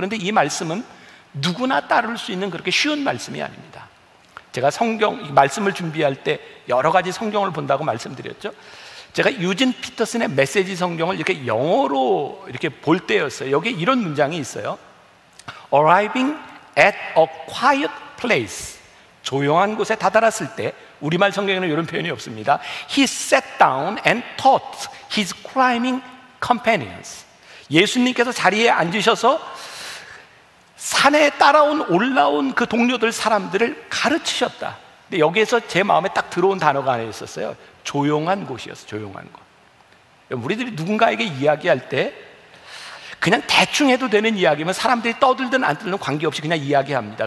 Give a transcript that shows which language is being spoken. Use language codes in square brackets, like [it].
[ko] 그런데 이 말씀은 누구나 따를 수 있는 그렇게 쉬운 말씀이 아닙니다. 제가 성경, 이 말씀을 준비할 때 여러 가지 성경을 본다고 말씀드렸죠. 제가 유진 피터슨의 메시지 성경을 이렇게 영어로 이렇게 볼 때였어요. 여기에 이런 문장이 있어요. [en] Arriving at a quiet place. [ko] 조용한 곳에 다다랐을 때, 우리말 성경에는 이런 표현이 없습니다. [en] He sat down and taught his climbing companions. [ko] 예수님께서 자리에 앉으셔서 산에 따라온 올라온 그 동료들 사람들을 가르치셨다. 근데 여기에서 제 마음에 딱 들어온 단어가 하나 있었어요. 조용한 곳이었어. 조용한 곳. 우리들이 누군가에게 이야기할 때 그냥 대충 해도 되는 이야기면 사람들이 떠들든 안 떠들든 관계없이 그냥 이야기합니다.